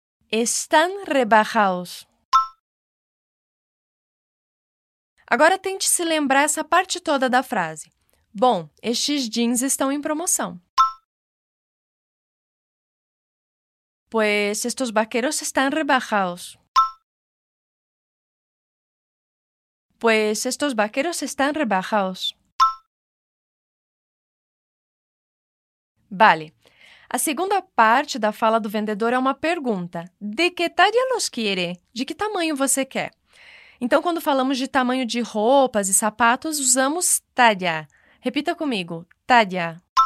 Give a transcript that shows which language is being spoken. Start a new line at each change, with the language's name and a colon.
Spanish: Están rebajados.
Portuguese: Agora tente se lembrar essa parte toda da frase. Bom, estes jeans estão em promoção.
Spanish: Pues estos vaqueros están rebajados. Pues estos vaqueros están rebajados. Vale.
Portuguese: A segunda parte da fala do vendedor é uma pergunta.
Spanish: De que talla los quiere?
Portuguese: De que tamanho você quer? Então, quando falamos de tamanho de roupas e sapatos, usamos talla. Repita comigo, talla.